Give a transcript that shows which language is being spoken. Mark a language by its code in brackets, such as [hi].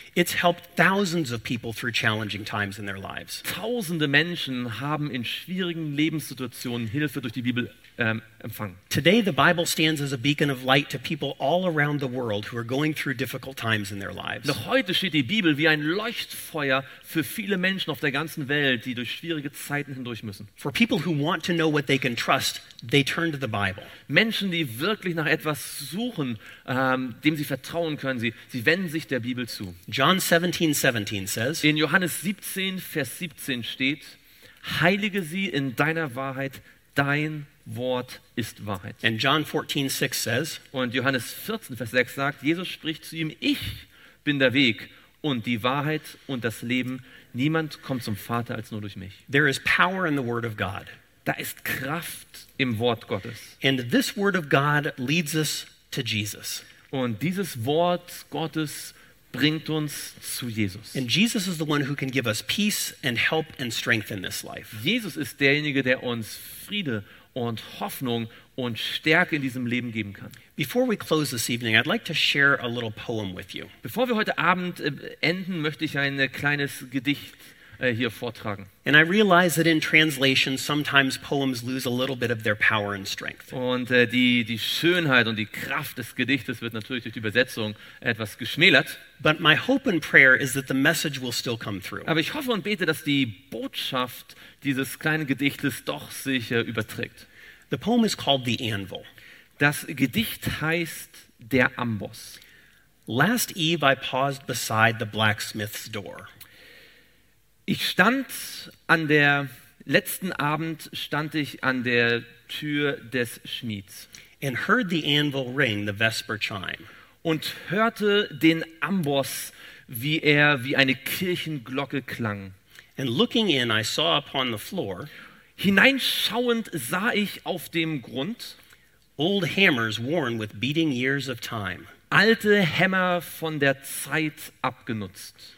[en] It's helped thousands of people through challenging times in their lives. [de] Tausende Menschen haben in schwierigen Lebenssituationen Hilfe durch die Bibel empfangen. [en] Today the Bible stands as a beacon of light to people all around the world who are going through difficult times in their lives. [de] Noch heute steht die Bibel wie ein Leuchtfeuer für viele Menschen auf der ganzen Welt, die durch schwierige Zeiten hindurch müssen. [en] For people who want to know what they can trust, they turn to the Bible. [de] Menschen, die wirklich nach etwas suchen, dem sie vertrauen können, sie wenden sich der Bibel zu. [en] John 17:17 says, [de] in Johannes 17, Vers 17 steht, heilige sie in deiner Wahrheit, dein Wort ist Wahrheit. [en] And John 14:6 says, [de] und Johannes 14, Vers 6 sagt, Jesus spricht zu ihm, ich bin der Weg und die Wahrheit und das Leben. Niemand kommt zum Vater als nur durch mich. [en] There is power in the word of God. [de] Da ist Kraft im Wort Gottes. [en] And this word of God leads us to Jesus. [de] Und dieses Wort Gottes bringt uns zu Jesus. [en] And Jesus is the one who can give us peace and help and strength in this life. [de] Jesus ist derjenige, der uns Friede und Hoffnung und Stärke in diesem Leben geben kann. [en] Before we close this evening, I'd like to share a little poem with you. [de] Bevor wir heute Abend enden, möchte ich ein kleines Gedicht hier vortragen. [en] And I realize that in translation sometimes poems lose a little bit of their power and strength. [de] Und die Schönheit und die Kraft des Gedichtes wird natürlich durch die Übersetzung etwas geschmälert. [en] But my hope and prayer is that the message will still come through. [de] Aber ich hoffe und bete, dass die Botschaft dieses kleinen Gedichtes doch sich überträgt. [en] The poem is called The Anvil. [de] Das Gedicht heißt Der Amboss. [en] Last eve I paused beside the blacksmith's door. [de] Ich stand an der letzten Abend stand ich an der Tür des Schmieds. [en] And heard the anvil ring the vesper chime. [de] Und hörte den Amboss, wie er wie eine Kirchenglocke klang. [en] And looking in I saw upon the floor. [de] Hineinschauend sah ich auf dem Grund [en] old hammers worn with beating years of time. [de] Alte Hämmer von der Zeit abgenutzt.